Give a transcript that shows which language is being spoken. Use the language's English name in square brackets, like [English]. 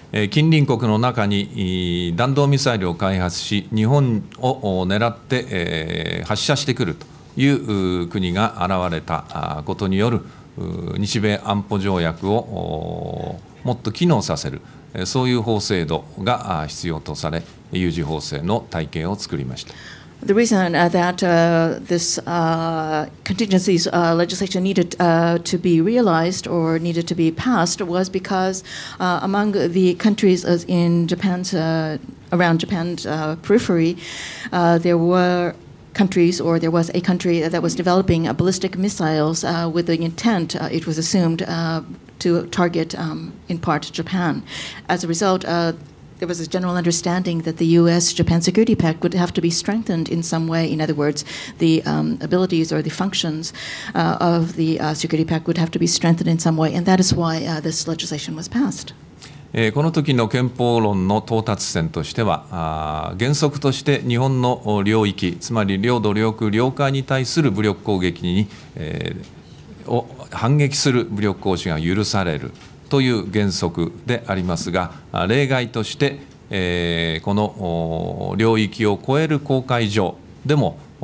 [Japanese] 近隣国の中に弾道ミサイルを開発し、日本を狙って発射してくるという国が現れたことによる日米安保条約をもっと機能させる。そういう法制度が必要とされ、有事法制の体系を作りました。 [English] The reason that this contingencies legislation needed to be realized or needed to be passed was because among the countries in Japan's around Japan's periphery, there were countries or there was a country that was developing ballistic missiles with the intent it was assumed. To target in part Japan. As a result, there was a general understanding that the U.S.-Japan Security Pact would have to be strengthened in some way. In other words, the abilities or the functions of the Security Pact would have to be strengthened in some way, and that is why this legislation was passed. [Japanese] この時の憲法論の到達点としては、原則として日本の領域、つまり領土、領空、領海に対する武力攻撃に、を反撃する武力行使が許されるという原則でありますが、例外としてこの領域を超える公海上でも